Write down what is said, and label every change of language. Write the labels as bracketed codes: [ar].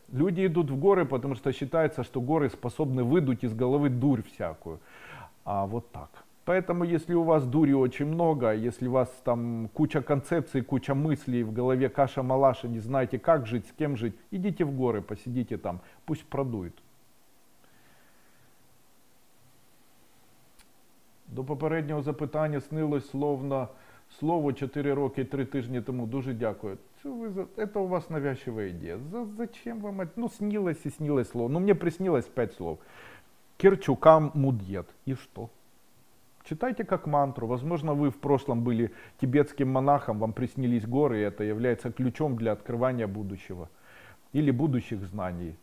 [ru] Люди идут в горы, потому что считается, что горы способны выдуть из головы дурь всякую. А вот так. Поэтому, если у вас дури очень много, если у вас там куча концепций, куча мыслей в голове, каша-малаша, не знаете, как жить, с кем жить, идите в горы, посидите там, пусть продует. [uk] До попереднього запитання снилось слово 4 роки 3 тижні тому. Дуже дякую. [ru] Это у вас навязчивая идея. Зачем вам это? Ну, снилось слово. Ну, мне приснилось 5 слов. Кирчукам мудьет. И что? Читайте как мантру. Возможно, вы в прошлом были тибетским монахом, вам приснились горы, и это является ключом для открывания будущего или будущих знаний.